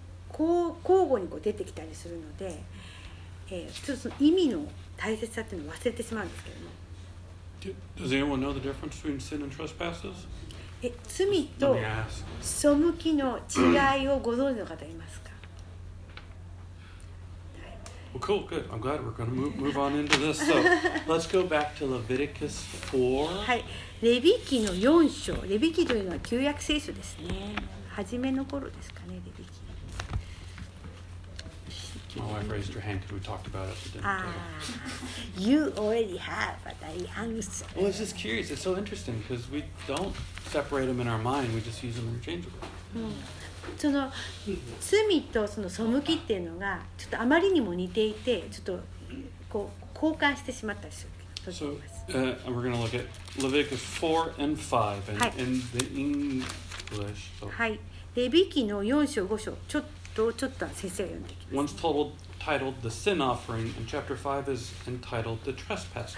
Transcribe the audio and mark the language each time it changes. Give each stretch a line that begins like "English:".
Japanese: 交互にこう出てきたりするので、ちょっとその意味の大切さっていうのを忘れてしまうんですけども。
English: Does anyone know the difference between sin and trespasses?
Japanese: 罪と背きの違いをご存知の方いますか？
English: Well, cool, good. I'm glad we're going to move on into this. So let's go back to Leviticus 4.
Japanese: はい、レビ記の4章。レビ記というのは旧約聖書ですね。初めの頃ですかね、レビ記。
English: My wife raised her hand because we talked about it at the dinner table. You already have the answer. Well, it's just curious. It's so interesting because we don't separate them in our mind. We just use them interchangeably.
Japanese: その罪とその背きっていうのがちょっとあまりにも似ていて、ちょっとこう交換してしまったりする。
English: So, and we're going to look at Leviticus 4 and 5 and in the English.
Japanese: はい。レビ記の4章5章ちょっと。
English: One's titled the sin offering, and chapter 5 is entitled the trespass offering.